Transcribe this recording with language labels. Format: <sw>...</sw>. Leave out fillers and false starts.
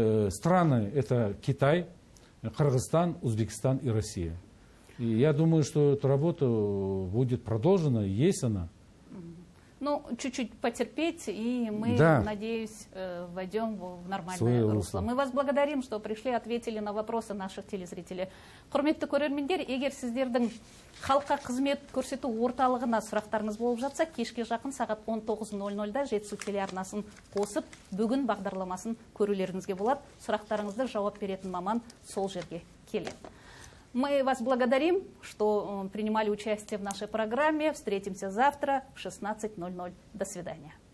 <ru>Страны – это Китай, Кыргызстан, Узбекистан и Россия. И я думаю, что эта работа будет продолжена, есть она. Ну, чуть-чуть потерпеть, и мы, да, надеюсь, войдем в нормальное русло. Мы вас благодарим, что пришли, ответили на вопросы наших телезрителей.</ru> <kk>Құрметті көрермендер, егер сіздердің халыққа қызмет көрсету орталығына сұрақтарыңыз болып жатса, кешке жақын сағат 19:00-да Жетісу телеарнасын қосып, бүгін бағдарламасын көрулеріңізге болады. Сұрақтарыңызды жауап беретін маман сол жерге келеді.</kk> <ru>Мы вас благодарим, что принимали участие в нашей программе. Встретимся завтра в 16:00. До свидания.</ru>